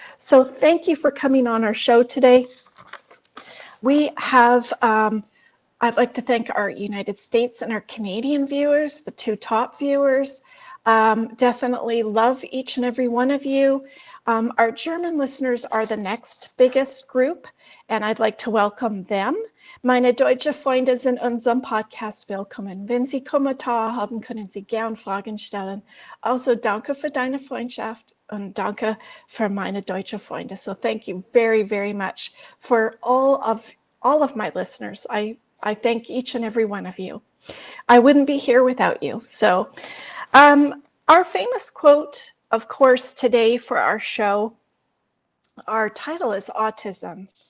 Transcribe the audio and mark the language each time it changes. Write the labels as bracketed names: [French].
[English] So thank you for coming on our show today. We have, I'd like to thank our United States and our Canadian viewers, the two top viewers. Definitely love each and every one of you. Our German listeners are the next biggest group, and I'd like to welcome them. [German] Meine deutsche Freunde sind unserem Podcast willkommen. Wenn Sie Kommentar haben, können Sie gern Fragen stellen. Also danke für deine Freundschaft. Und danke für meine deutsche Freunde. [English] So thank you very, very much for all of my listeners. I thank each and every one of you. I wouldn't be here without you. So our famous quote, of course, today for our show, our title is Autism.